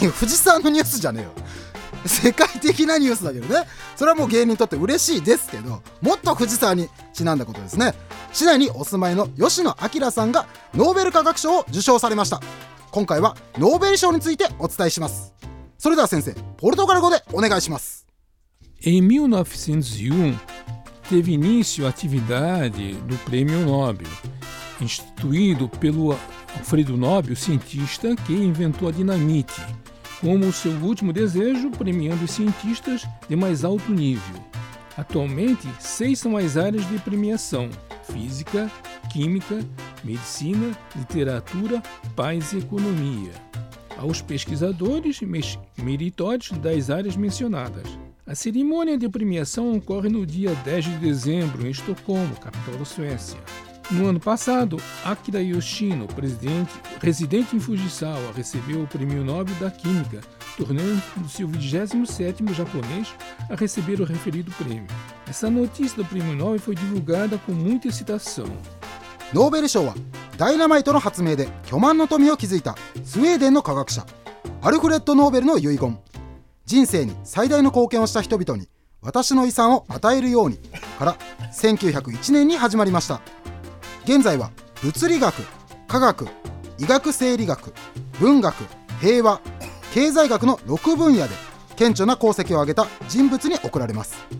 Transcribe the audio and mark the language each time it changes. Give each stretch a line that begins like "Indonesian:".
Japanese: 藤沢のニュースじゃねえよ、世界的なニュースだけどね。それはもう芸人にとって嬉しいですけど、もっと藤沢にちなんだことですね。市内にお住まいの吉野明さんがノーベル化学賞を受賞されました。今回はノーベル賞についてお伝えします。それでは先生、ポルトガル語でお願いします。
Portuguese: Em 1901 teve início a atividade do Prêmio Nobel instituído pelo Alfredo Nobel, cientista que inventou a dinamite, como seu último desejo, premiando cientistas de mais alto nível. Atualmente, 6 são as áreas de premiação: física, química, medicina, literatura, paz e economia. Aos pesquisadores meritórios das áreas mencionadas. A cerimônia de premiação ocorre no dia 10 de dezembro, em Estocolmo, capital da Suécia. No ano passado, Akira Yoshino, residente em Fujisawa, recebeu o Prêmio Nobel da Química, tornando-se o 27º japonês a receber o referido prêmio. Essa notícia do Prêmio Nobel foi divulgada com muita excitação.
Japanese: Nobel 賞はダイナマイトの発明で巨万の富を築いたスウェーデンの科学者、アルフレッド・ノーベルの遺言。人生に最大の貢献をした人々に私の遺産を与えるようにから1901年に始まりました。現在は物理学、科学、医学生理学、文学、平和、経済学の6分野で顕著な功績を挙げた人物に贈られます。